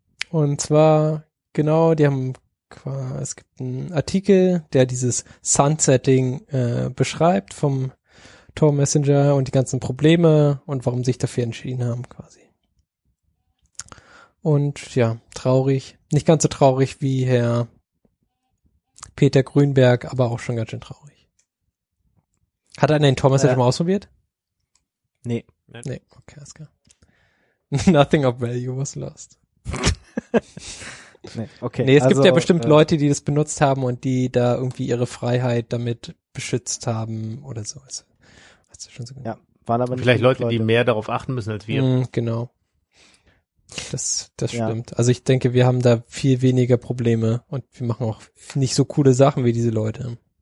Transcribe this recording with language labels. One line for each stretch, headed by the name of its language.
German: Und zwar, genau, die haben es gibt einen Artikel, der dieses Sunsetting beschreibt vom Tor-Messenger und die ganzen Probleme und warum sie sich dafür entschieden haben, quasi. Und ja, traurig. Nicht ganz so traurig wie Herr Peter Grünberg, aber auch schon ganz schön traurig. Hat er den Tor-Messenger schon mal ausprobiert? Nee. Okay, alles klar.
English: Nothing of value was lost.
German: Es gibt ja bestimmt Leute, die das benutzt haben und die da irgendwie ihre Freiheit damit beschützt haben oder so. Hast du schon so gesehen? Ja, waren aber nicht vielleicht Leute, die mehr darauf achten müssen als wir. Genau. Das stimmt. Also ich denke, wir haben da viel weniger Probleme und wir machen auch nicht so coole Sachen wie diese Leute.